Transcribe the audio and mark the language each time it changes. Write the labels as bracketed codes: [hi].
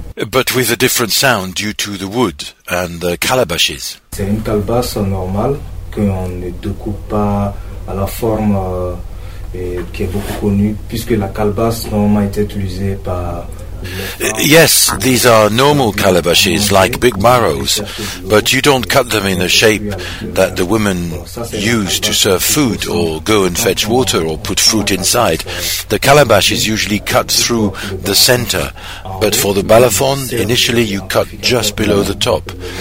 [en] But with a different sound due to the wood and the calabashes. [fr] C'est une calabasse normale qu'on ne découpe pas à la forme qui est beaucoup connue, puisque la calabasse normalement est utilisée par. [en] Yes, these are normal calabashes, like big marrows, but you don't cut them in the shape that the women use to serve food or go and fetch water or put fruit inside. The calabash is usually cut through the center, but for the balafon, initially you cut just below the top.